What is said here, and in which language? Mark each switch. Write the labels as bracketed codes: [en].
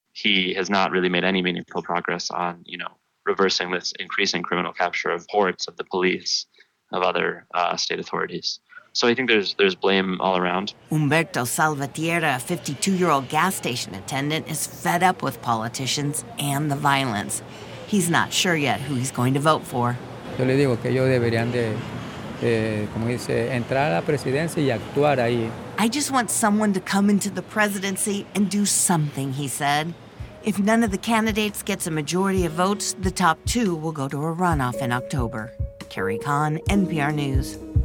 [en] He has not really made any meaningful progress on, you know, reversing this increasing criminal capture of ports, of the police, of other state authorities. So I think there's blame all around. Humberto Salvatierra, a 52-year-old gas station attendant, is fed up with politicians and the violence. He's not sure yet who he's going to vote for. [es] Yo le digo que ellos deberían de, como dice, entrar a la presidencia y actuar ahí. [en] I just want someone to come into the presidency and do something, he said. If none of the candidates gets a majority of votes, the top two will go to a runoff in October. Carrie Khan, NPR News.